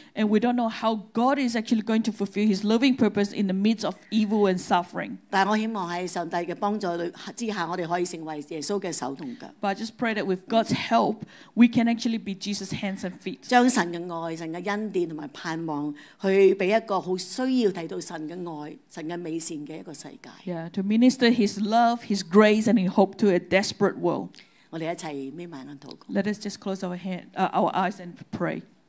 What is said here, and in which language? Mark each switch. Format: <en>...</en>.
<en>And we don't know how God is actually going to fulfill His loving purpose in the midst of evil and suffering.</en> <yue>但我希望喺上帝嘅幫助之下，我哋可以成為耶穌嘅手同腳。</yue> <en>But I just pray that with God's help, we can actually be Jesus' hands and feet.</en> <yue>將神嘅愛、神嘅恩典同埋盼望，去俾一個好需要睇到神嘅愛、神嘅美善嘅一個世界。</yue> <en>Yeah, to minister His love, His grace, and His hope to a desperate world. Let us just close our eyes and pray.</en>